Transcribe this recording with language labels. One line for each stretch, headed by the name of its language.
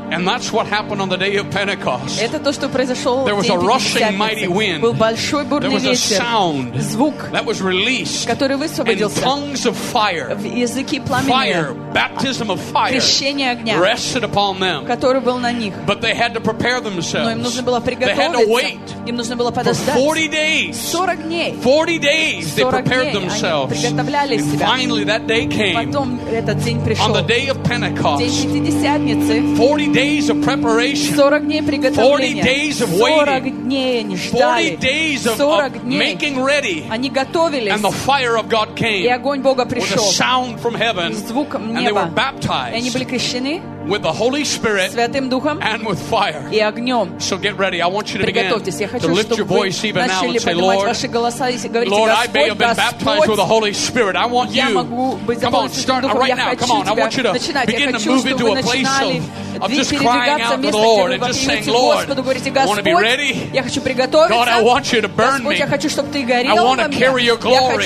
English: And that's what happened on the day of Pentecost.
Russian: Это то, что произошло в день Пятидесятницы.
English: There was a rushing mighty wind.
Russian: Был большой бурный ветер.
English: There was a sound.
Russian: Звук.
English: That was released.
Russian: Который высвободился.
English: In tongues of fire.
Russian: В языке пламени.
English: Fire. Baptism of fire.
Russian: Крещение огня.
English: Rested upon them.
Russian: Который был на них.
English: But they had to prepare themselves.
Russian: Но им нужно было приготовиться.
English: They had to wait.
Russian: Им нужно было подождать.
English: For 40 days.
Russian: 40 дней.
English: 40 days they prepared themselves.
Russian: Они приготовляли себя.
English: Finally, that day came.
Russian: Потом этот день пришел.
English: On the day of Pentecost.
Russian: День Пятидесятницы.
English: 40 days of preparation.
Russian: 40 дней приготовления.
English: 40 days of waiting.
Russian: 40 дней они ждали.
English: 40 days of
Russian: 40 дней.
English: Making ready.
Russian: Они готовились.
English: And the fire of God came.
Russian: И огонь Бога пришел.
English: With a sound from heaven.
Russian: С звуком неба.
English: And they were baptized.
Russian: И они были крещены.
English: With the Holy Spirit.
Russian: Святым Духом.
English: And with fire.
Russian: И огнем.
English: So get ready. I want you to
Russian: Приготовьтесь. Я хочу, чтобы
English: lift your voice even now and say, Lord.
Russian: Ваши голоса и говорите,
English: Lord,
Russian: Господь,
English: I may have been baptized with the Holy Spirit. I want you. Come on, start right now. Come on, I want you to begin to move into a place of just crying out to the Lord and just saying, Lord, I want to be ready. God, I want you to burn me. I want to carry your glory.